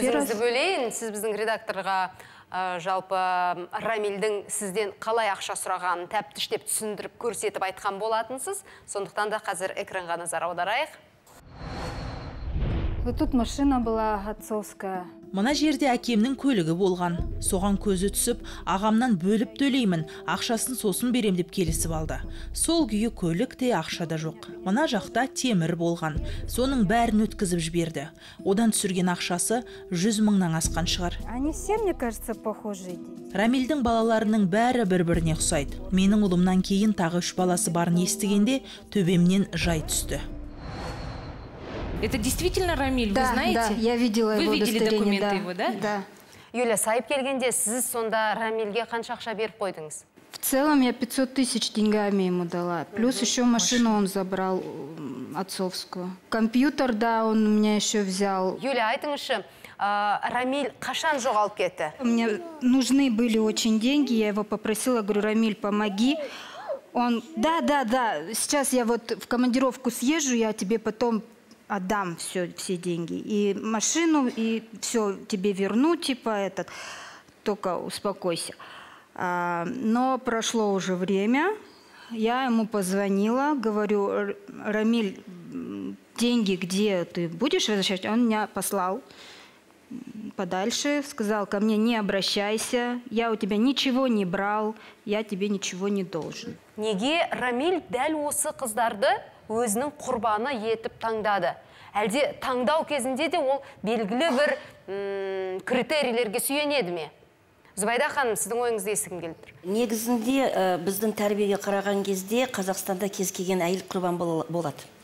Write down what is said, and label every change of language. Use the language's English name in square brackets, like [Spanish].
[Russian] первый [Kazakh] жалпы Рамильдің сізден қалай ақша сұрағанын тәптіштеп түсіндіріп көрсетіп айтқан болатынсыз. Сондықтан да қазір экранға назар аударайық. [Russian] Тут машина была отцовская. [Kazakh] Мына жерде әкемнің көлігі болған. Соған көзі түсіп, ағамнан бөліп төлеймін, ақшасын сосын берем деп келісіп алды. Сол күйі көлік те ақша да жоқ. Мына жақта темір болған. Соның бәрін өткізіп жіберді. Одан түсірген ақшасы 100 мыңнан асқан шығар. [Russian] Они все, мне кажется, похожи. [Kazakh] Рамильдің балаларының бәрі бір-біріне ұқсайды. Менің ұлымнан кейін тағы 3 баласы барын естігенде төбемнен жай түсті. [Russian] Это действительно Рамиль, да, вы знаете? Да, я видела вы его видели документы, да, его, да? Да. [Kazakh] Юля, сайып келгенде, сіз сонда Рамильге қанша ақша беріп қойдыңыз? [Russian] В целом я 500 тысяч деньгами ему дала. Плюс еще машину он забрал отцовскую. Компьютер, да, он у меня еще взял. Юля, айтыңызшы, Рамиль қашан жоғалып кетті? Мне нужны были очень деньги, я его попросила, говорю, Рамиль, помоги. Он, да, сейчас я вот в командировку съезжу, я тебе потом отдам все деньги, и машину, и все тебе верну, типа этот, только успокойся. Но прошло уже время, я ему позвонила, говорю, Рамиль, деньги где, ты будешь возвращать? Он меня послал подальше, сказал ко мне, не обращайся, я у тебя ничего не брал, я тебе ничего не должен. [Kazakh] Неге Рамиль дәл осы қыздарды өзінің құрбаны етіп таңдады? Әлде таңдау кезінде де ол белгілі бір критерийлерге сүйенеді ме? Зубайда ханым, сіздің ойыңызды естігім келді. Негізінде біздің тәрбиеге қараған кезде Қазақстанда кез келген әйел құрбан болады.